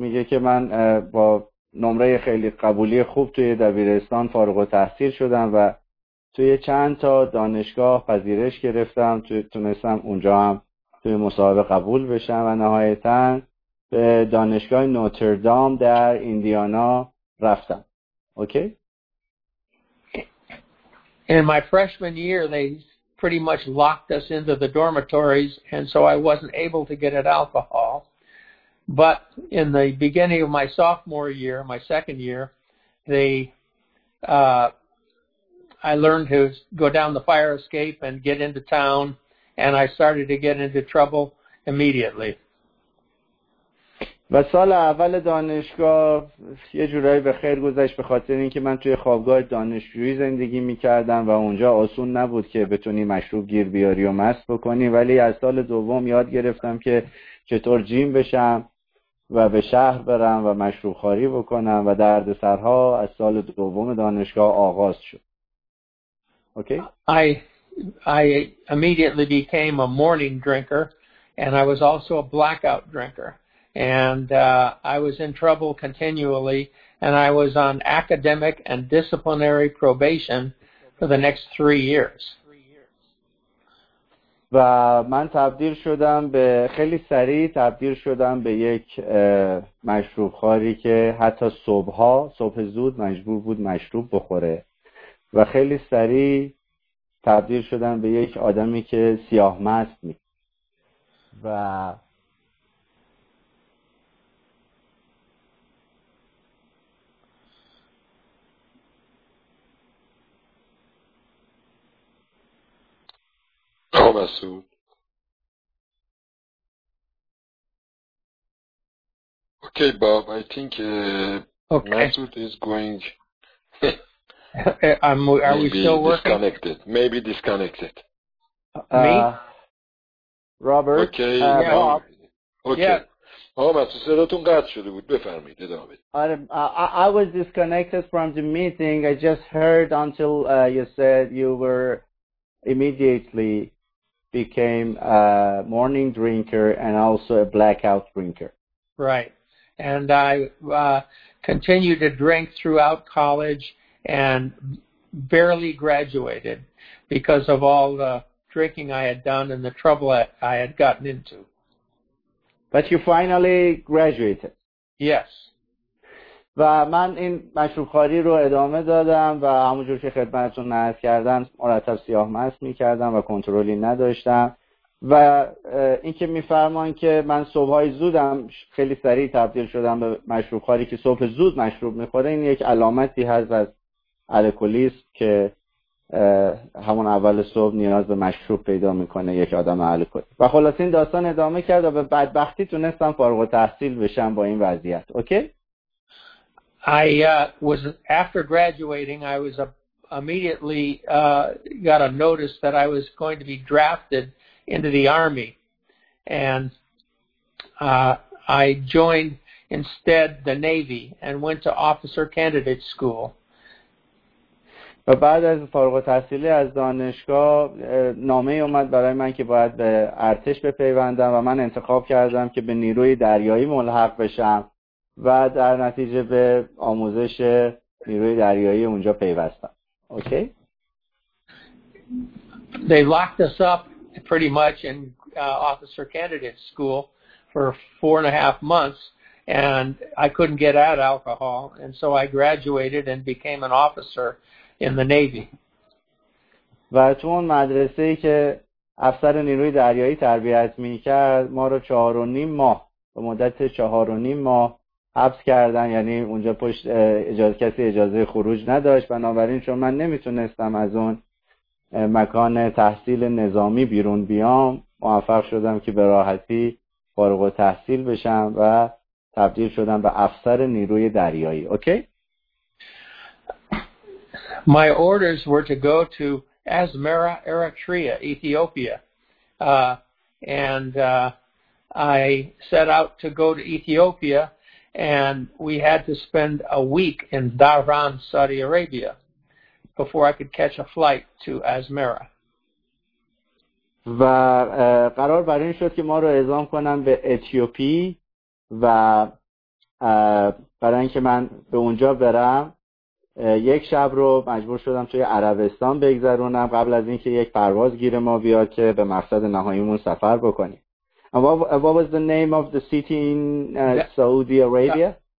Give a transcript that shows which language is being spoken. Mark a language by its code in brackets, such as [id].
[fa] میگه که من با نمره خیلی قبولی خوب توی دبیرستان فارغ التحصیل شدم و توی چند تا دانشگاه پذیرش گرفتم، تونستم اونجا هم توی مصاحبه قبول بشم و نهایتاً به دانشگاه نوتردام در ایندیانا رفتم. اوکی؟ [en] In my freshman year, they pretty much locked us into the dormitories, and so I wasn't able to get at alcohol. But in the beginning of my sophomore year, my second year, I learned to go down the fire escape and get into town, and I started to get into trouble immediately. [fa] و سال اول دانشگاه یه جورایی به خیر گذشت به خاطر اینکه من توی خوابگاه دانشجویی زندگی میکردم و اونجا آسون نبود که بتونی مشروب گیر بیاری و مست بکنی، ولی از سال دوم یاد گرفتم که چطور جیم بشم و به شهر برم و مشروب خاری بکنم و دردسرها از سال دوم دانشگاه آغاز شد. [en] I immediately became a morning drinker and I was also a blackout drinker. And I was in trouble continually, and I was on academic and disciplinary probation for the next 3 years. [fa] و من تبدیل شدم به خیلی سریع تبدیل شدم به یک مشروب خوری که حتی صبح زود مجبور بود مشروب بخوره و خیلی سریع تبدیل شدم به یک آدمی که سیاه مست می و [en] Masood. Okay, Bob, I think Masood is going. Are we still working? Disconnected. Maybe disconnected. Me? Robert? Okay, yeah, Bob. Okay. [fa] آقا مسعود صداتون قطع شده بود. بفرمایید ادامه بدید. [en] I was disconnected from the meeting. I just heard until you said you were immediately became a morning drinker and also a blackout drinker. Right. And I continued to drink throughout college and barely graduated because of all the drinking I had done and the trouble I had gotten into. But you finally graduated. Yes. [fa] و من این مشروبخواری رو ادامه دادم و همونجور که خدمتتون عرض کردم مرتب سیاه مست می‌کردم و کنترلی نداشتم و اینکه می‌فرمان که من صبح‌های زودم خیلی سریع تبدیل شدم به مشروبخواری که صبح زود مشروب می‌خوره، این یک علامتی هست از الکلیسم که همون اول صبح نیاز به مشروب پیدا می‌کنه یک آدم الکلی. و خلاصه این داستان ادامه کرد و به بدبختی تونستم فارغ التحصیل بشم با این وضعیت. اوکی؟ [en] I was after graduating I was immediately got a notice that I was going to be drafted into the army and I joined instead the navy and went to officer candidate school. [fa] و بعد از فارغ التحصیلی از دانشگاه نامه اومد برای من که باید به ارتش بپیوندم و من انتخاب کردم که به نیروی دریایی ملحق بشم و در نتیجه به آموزش نیروی دریایی اونجا پیوستم. اوکی؟ [en] They locked us up pretty much in officer candidate school for 4.5 months and I couldn't get out alcohol and so I graduated and became an officer in the navy. [fa] و تو اون مدرسه ای که افسر نیروی دریایی تربیت می‌کرد ما رو 4.5 ماه به مدت 4.5 ماه حبس کردن، یعنی اونجا پشت کسی اجازه خروج نداشت، بنابراین چون من نمیتونستم از اون مکان تحصیل نظامی بیرون بیام موفق شدم که به راحتی فارغ التحصیل بشم و تبدیل شدم به افسر نیروی دریایی. اوکی؟ [en] My orders were to go to Asmara, Eritrea, Ethiopia. I set out to go to Ethiopia. And we had to spend a week in Dhahran, Saudi Arabia, before I could catch a flight to Asmara. [fa] و قرار بر این شد که ما رو اعزام کنن به اتیوپی و برای اینکه من به اونجا برم یک شب رو مجبور شدم توی عربستان بگذرونم قبل از اینکه یک پرواز گیر ما بیاد که به مقصد نهاییمون سفر بکنیم. [en] What was the name of the city in Saudi Arabia?